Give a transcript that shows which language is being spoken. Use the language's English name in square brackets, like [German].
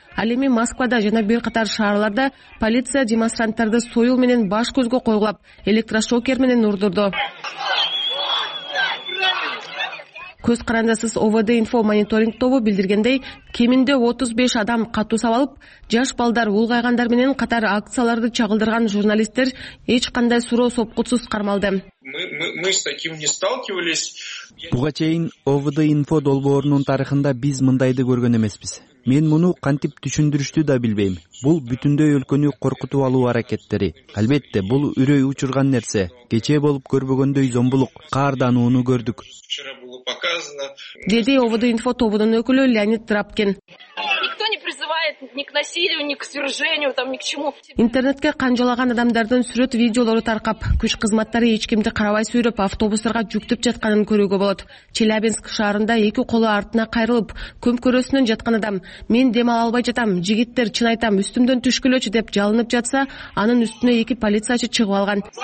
[Kyrgyz] Ал эми Москвада жана бир катар шаарларда полиция демонстранттарды союл менен баш көзгө койгулап, электрошокер менен урдурду. Көз карандысыз ОВД инфо мониторинг тобу билдиргендей, кеминде 35 адам катуу сабалып, жаш балдар, улгайгандар менен катар акцияларды чагылдырган журналисттер эч кандай суроо сопкутсуз кармалды. [Russian] Мы с таким не сталкивались. [Kyrgyz] Буга чейин ОВД инфо долбоорунун тарыхында биз мындайды көргөн эмеспиз. Мен муну кантип түшүндүрүштү да билбейм. Бул бүтүндөй өлкөнү коркутуп алуу аракеттери. Албетте, бул үрөй учурган нерсе. Кечээ болуп көрбөгөндөй зомбулук, каардануну көрдүк. Деди ОВД инфо тобунун өкүлү Леонид Трапкин. [Russian] Никто не призывает ни к насилию, ни к свержению, там ни к чему. [Kyrgyz] Интернетке канжалаган адамдардын сүрөт видеолору таркап, күч кызматтары эч кимди карабай сүйрөп, автобустарга жүктүп жатканын көрүүгө болот. Челябинск шаарында эки колу артына кайрылып, көмкөрөсүнөн жаткан адам "Мен дем ала албай жатам, жигиттер, чын айтам, үстүмдөн түшкүлөчү" деп жалынып жатса, анын үстүнө эки полициячы чыгып алган.